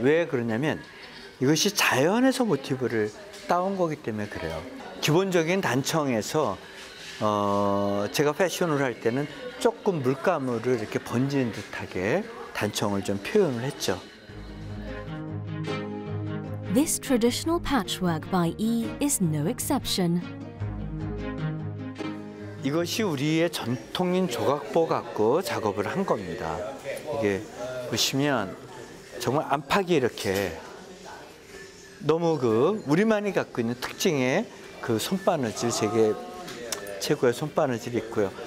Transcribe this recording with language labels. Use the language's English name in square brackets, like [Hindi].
[Korean] 왜 그러냐면 이것이 자연에서 모티브를 따온 거기 때문에 그래요. 기본적인 단청에서 제가 패션을 할 때는 조금 물감으로 이렇게 번지는 듯하게 단청을 좀 표현을 했죠. [English] This traditional patchwork by E is no exception. [Korean] 이것이 우리의 전통인 조각보 갖고 작업을 한 겁니다. 이게 보시면 정말 안팎이 이렇게 너무 그 우리만이 갖고 있는 특징의 그 손바느질, 세계 최고의 손바느질이 있고요.